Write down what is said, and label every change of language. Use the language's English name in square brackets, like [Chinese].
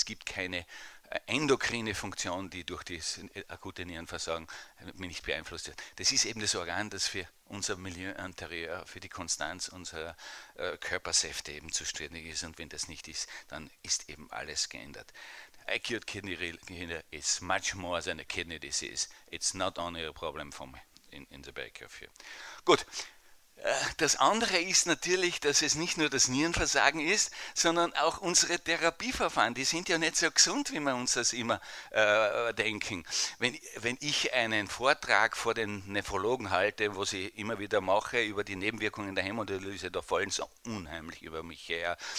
[German] Es gibt keine endokrine Funktion, die durch das akute Nierenversagen nicht beeinflusst wird. Das ist eben das Organ, das für unser Milieu Intérieur, für die Konstanz unserer Körpersäfte eben zuständig ist. Und wenn das nicht ist, dann ist eben alles geändert. [English] Acute kidney disease is much more than a kidney disease. It's not only a problem for me in the back of here. [German] Gut, das andere ist natürlich, dass es nicht nur das Nierenversagen ist, sondern auch unsere Therapieverfahren, die sind ja nicht so gesund, wie wir uns das immer denken. Wenn ich einen Vortrag vor den Nephrologen halte, wo sie immer wieder mache über die Nebenwirkungen der Hämodialyse, da fallen sie unheimlich über mich her.